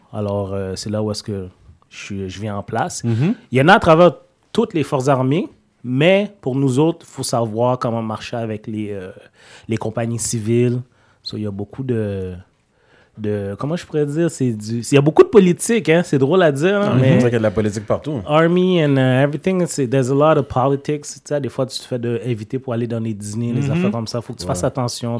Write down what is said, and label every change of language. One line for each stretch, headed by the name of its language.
French: Alors, c'est là où est-ce que je viens en place. Mm-hmm. Il y en a à travers toutes les forces armées, mais pour nous autres, il faut savoir comment marcher avec les compagnies civiles. So, il y a beaucoup de comment je pourrais dire? Il y a beaucoup de politique, hein? C'est drôle à dire. Hein? Mm-hmm. Mais c'est vrai qu'il y a de la politique partout.
English: Army and everything, there's a lot of politics.
French: T'sais, des fois, tu te fais inviter pour aller dans les dîners, mm-hmm. les affaires comme ça. Il faut que tu fasses attention.